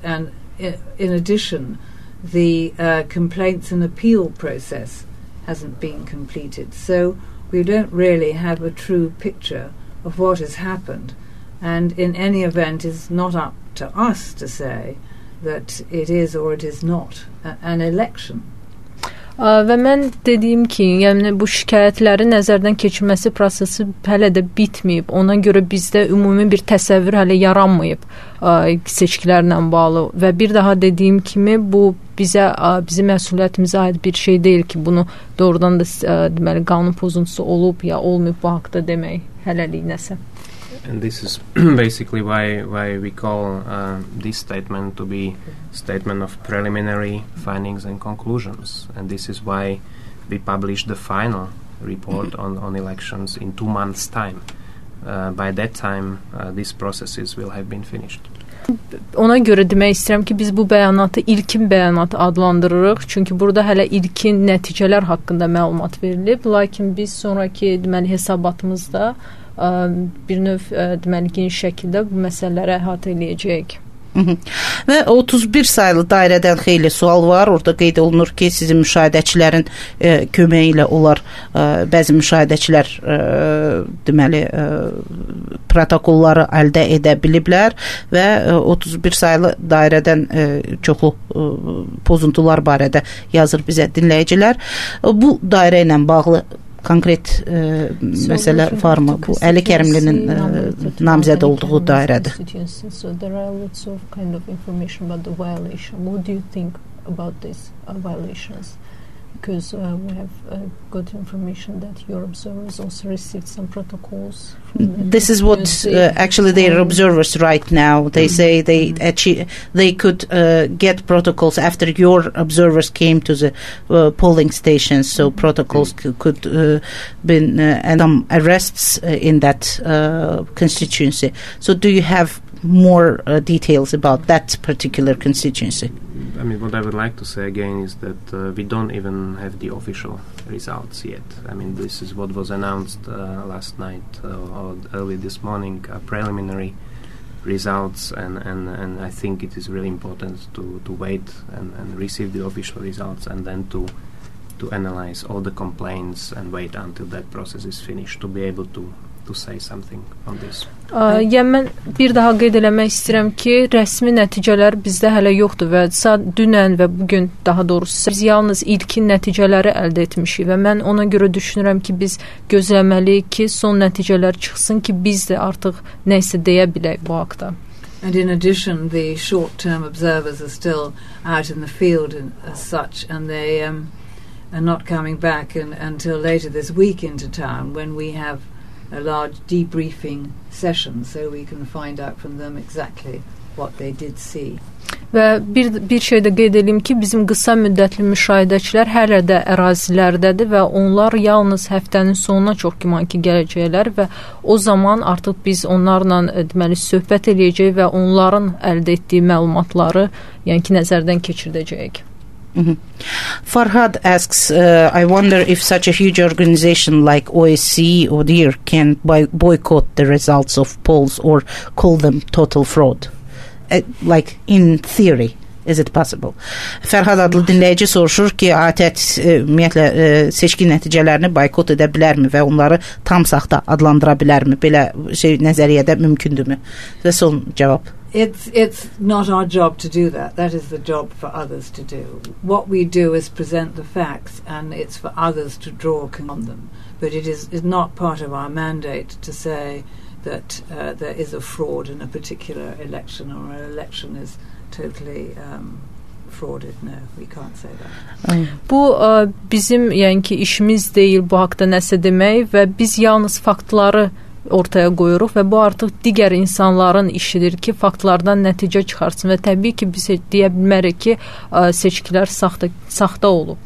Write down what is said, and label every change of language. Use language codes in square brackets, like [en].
[en] And in addition, the complaints and appeal process hasn't been completed. So we don't really have a true picture of what has happened. And in any event, it's not up to us to say that it is or it is not an election. [az] Və mən dediyim ki, yəni bu şikayətlərin nəzərdən keçirməsi prosesi hələ də bitməyib. Ona görə bizdə ümumi bir təsəvvür hələ yaranmayıb seçkilərlə bağlı. Və bir daha dediyim kimi, bu bizim məsuliyyətimizə aid bir şey deyil ki, bunu doğrudan da deməli qanun pozuntusu olub ya olmayıb bu haqda demək hələlik nəsə. [en] And this is basically why we call this statement to be statement of preliminary findings and conclusions. And this is why we publish the final report on elections in 2 months' time. By that time, these processes will have been finished. [az] Ona görə demək istəyirəm ki, biz bu bəyanatı ilkin bəyanat adlandırırıq, çünki burada hələ ilkin nəticələr haqqında məlumat verilib, lakin biz sonraki deməli hesabatımızda bir növ deməli geniş şəkildə bu məsələlərə əhatə eləyəcək. Və 31 saylı dairədən xeyli sual var. Orada qeyd olunur ki, sizin müşahidəçilərin köməyi ilə onlar bəzi müşahidəçilər deməli protokolları əldə edə biliblər və 31 saylı dairədən çoxlu pozuntular barədə yazır bizə dinləyicilər. Bu dairə ilə bağlı konkret məsələ var mı? Bu Əli Kərimlinin namizədə olduğu dairədir. [en] So there are lots of kind of information about the violation. What do you think about these violations? Because we have got information that your observers also received some protocols. This is what actually their observers write now. They say they could get protocols after your observers came to the polling stations. So protocols could been and some arrests in that constituency. So do you have more details about that particular constituency? I mean, what I would like to say again is that we don't even have the official results yet. I mean, this is what was announced last night or early this morning, preliminary results, and I think it is really important to wait and receive the official results and then to analyze all the complaints and wait until that process is finished to be able to say something on this. [az] Yəni, mən bir daha qeyd eləmək istəyirəm ki, rəsmi nəticələr bizdə hələ yoxdur və dünən və bugün daha doğrusu biz yalnız ilkin nəticələri əldə etmişik və mən ona görə düşünürəm ki, biz gözləməliyik ki, son nəticələr çıxsın ki, biz də artıq nə isə deyə bilək bu haqda. [en] And in addition, the short-term observers are still out in the field and as such, and they are not coming back until later this week into town when we have a large debriefing session, so we can find out from them exactly what they did see. [az] Və bir şey də qeyd edeyim ki, bizim qısa müddətli müşahidəçilər hələ də ərazilərdədir və onlar yalnız həftənin sonuna çox güman ki, gələcəklər və o zaman artıq biz onlarla deməli, söhbət eləyəcək və onların əldə etdiyi məlumatları yəni ki, nəzərdən keçirdəcəyik. Mm-hmm. [en] Farhad asks, I wonder if such a huge organization like OSCE or DEAR can boycott the results of polls or call them total fraud. Like, in theory, is it possible? [az] Farhad adlı dinləyici soruşur ki, ATƏT ümumiyyətlə seçki nəticələrini boykot edə bilərmi və onları tam saxta adlandıra bilərmi? Belə şey nəzəriyyədə mümkündürmü? Və son cavab. [en] It's not our job to do that. That is the job for others to do. What we do is present the facts, and it's for others to draw on them. But it is not part of our mandate to say that there is a fraud in a particular election or an election is totally frauded. No, we can't say that. [az] Bu bizim yəni ki işimiz deyil bu haqda nəsə demək və biz yalnız faktları ortaya qoyuruq və bu artıq digər insanların işidir ki, faktlardan nəticə çıxarsın və təbii ki, biz deyə bilmərik ki, seçkilər saxta olub.